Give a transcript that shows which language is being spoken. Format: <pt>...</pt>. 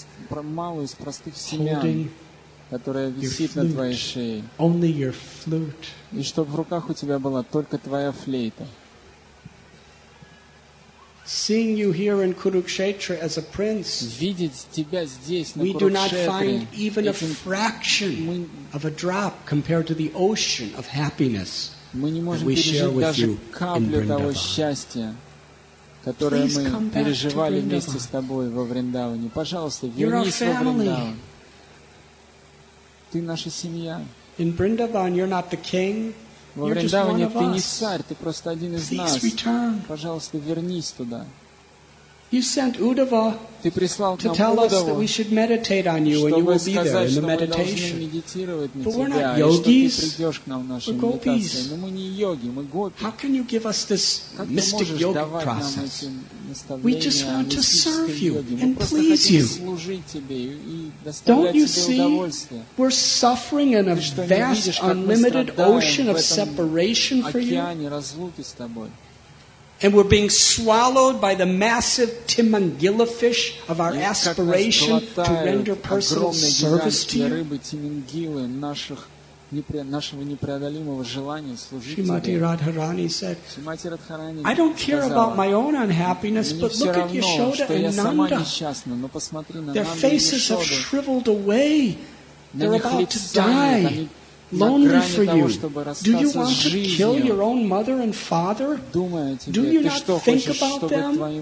<ru>Малу из простых семян, которая висит на твоей шее.</ru> <en>Only your flute.</en> <ru>И чтобы в руках у тебя была только твоя флейта.</ru> <en>Seeing you here in Kurukshetra as a prince,</en> <ru>видеть тебя здесь, на</ru> <en>we do not find even a fraction of a drop compared to the ocean of happiness.</en> <ru>Мы не можем пережить даже каплю того счастья, которое мы переживали вместе с тобой во Вриндаване. Пожалуйста, вернись во Вриндаван. Ты наша семья.</ru> <en>In Vrindavan, you're not the king.</en> <ru>Во Вриндаване ты не царь, ты просто один из нас.</ru> <en>Please return.</en> <ru>Пожалуйста, вернись туда.</ru> <en>You sent Uddhava to tell us that we should meditate on you and you will be there in the meditation. But we're not yogis. We're gopis. How can you give us this mystic yogic process? We just want to serve you and please you. Don't you see? We're suffering in a vast, unlimited ocean of separation for you. And we're being swallowed by the massive Timangila fish of our aspiration to render personal service to you.</en> <ru>Нашего непреодолимого желания служить тебе. Шимати Радхарани</ru> <en>said, I don't care about my own unhappiness, but look at Yashoda and Nanda. Their faces have shriveled away. They're about to die. Lonely for you. Do you want to kill your own mother and father? Do you not think about them?</en>